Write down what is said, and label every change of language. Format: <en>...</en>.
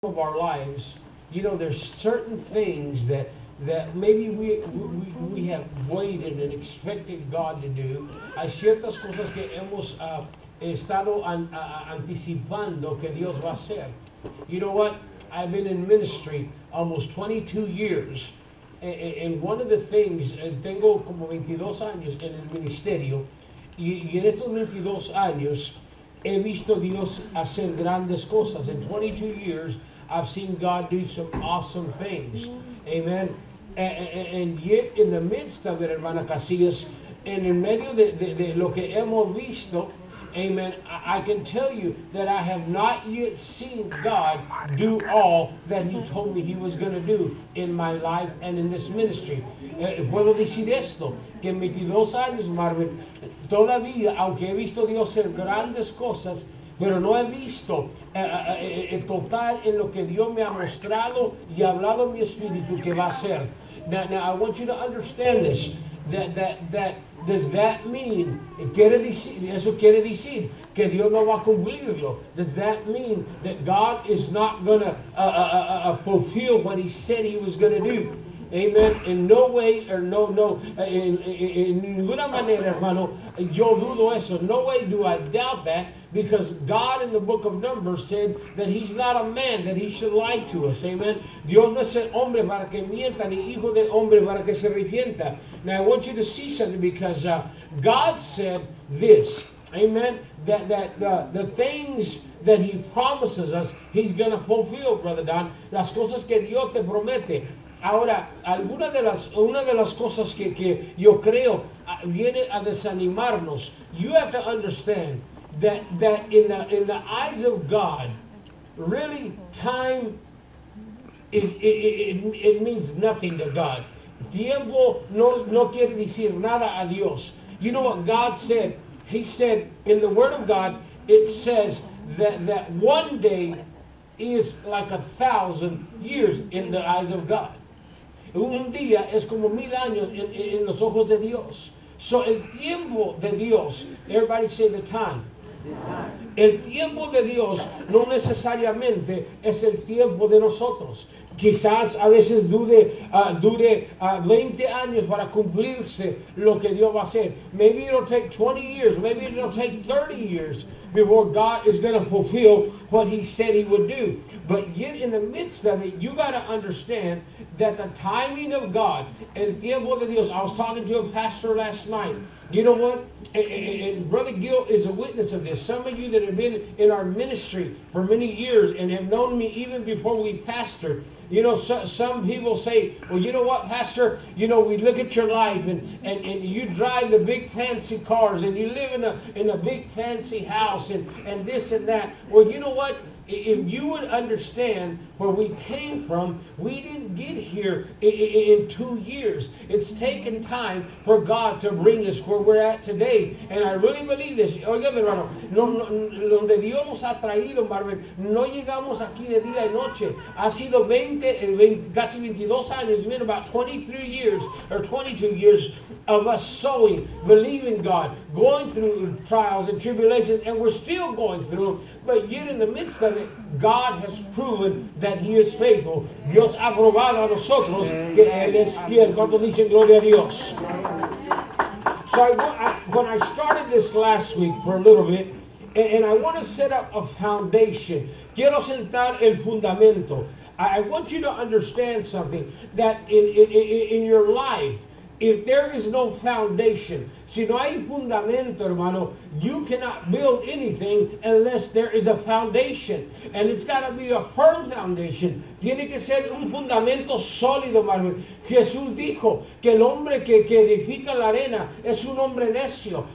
<en>of our lives, you know, there's certain things that maybe we have waited and expected God to do.</en> <es>Hay ciertas cosas que hemos estado anticipando que Dios va a hacer.</es> <en>You know what? I've been in ministry almost 22 years. And one of the things,</en> <es>tengo como 22 años en el ministerio, y en estos 22 años he visto Dios hacer grandes cosas.</es> <en>In 22 years, I've seen God do some awesome things. Amen. And yet, in the midst of it, hermana Casillas, and</en> <es>in medio de lo que hemos visto,</es> <en>amen, I can tell you that I have not yet seen God do all that He told me He was going to do in my life and in this ministry.</en> <es>Puedo decir esto, que en 22 años, Marvin, todavía, aunque he visto Dios hacer grandes cosas, pero no he visto el total en lo que Dios me ha mostrado y hablado en mi espíritu que va a ser.</es> <en>Now, I want you to understand this. That does that mean?</en> <es>Quiere decir, eso quiere decir que Dios no va a cumplirlo.</es> <en>Does that mean that God is not going to fulfill what He said He was going to do? Amen. In no way or no.</en> <es>In ninguna manera, hermano, yo dudo eso.</es> <en>No way do I doubt that, because God in the book of Numbers said that He's not a man that He should lie to us. Amen.</en> <es>Dios no es el hombre para que mienta, ni hijo de hombre para que se arrepienta.</es> <en>Now I want you to see something, because God said this. Amen. The things that He promises us, He's going to fulfill, Brother Don.</en> <es>Las cosas que Dios te promete. Ahora, una de las cosas que yo creo viene a desanimarnos.</es> <en>You have to understand that in the eyes of God, really, time it means nothing to God.</en> <es>Tiempo no quiere decir nada a Dios.</es> <en>You know what God said? He said in the Word of God, it says that one day is like 1,000 years in the eyes of God.</en> <es>Un día es como 1,000 años en los ojos de Dios.</es> <en>So</en> <es>el tiempo de Dios,</es> <en>everybody say the time.</en> <es>El tiempo de Dios no necesariamente es el tiempo de nosotros. Quizás a veces dure 20 años para cumplirse lo que Dios va a hacer.</es> <en>Maybe it'll take 20 years. Maybe it'll take 30 years before God is going to fulfill what He said He would do. But yet in the midst of it, you got to understand that the timing of God,</en> <es>el tiempo de Dios.</es> <en>I was talking to a pastor last night. You know what? And Brother Gil is a witness of this. Some of you that have been in our ministry for many years and have known me even before we pastored. You know, some people say, well, you know what, Pastor? You know, we look at your life and you drive the big fancy cars and you live in a big fancy house and this and that. Well, you know what? If you would understand where we came from, we didn't get here in 2 years. It's taken time for God to bring us where we're at today. And I really believe this.</en> <es>Oiga, mi hermano, donde Dios nos ha traído, Marvin, no llegamos aquí de día y noche. Ha sido 20, casi 22 años.</es> <en>It's been about 23 years or 22 years of us sowing, believing God, going through trials and tribulations, and we're still going through them. But yet in the midst of it, God has proven that He is faithful.</en> <es>Dios ha probado a nosotros que Él es fiel. ¿Cuánto dicen gloria a Dios?</es> <en>So when I started this last week for a little bit, and I want to set up a foundation.</en> <es>Quiero sentar el fundamento.</es> <en>I want you to understand something, that in your life, if there is no foundation,</en> <es>si no hay fundamento, hermano,</es> <en>you cannot build anything unless there is a foundation. And it's got to be a firm foundation.</en> <es>Tiene que ser un fundamento sólido, hermano. Jesús dijo que el hombre que edifica la arena es un hombre necio.</es>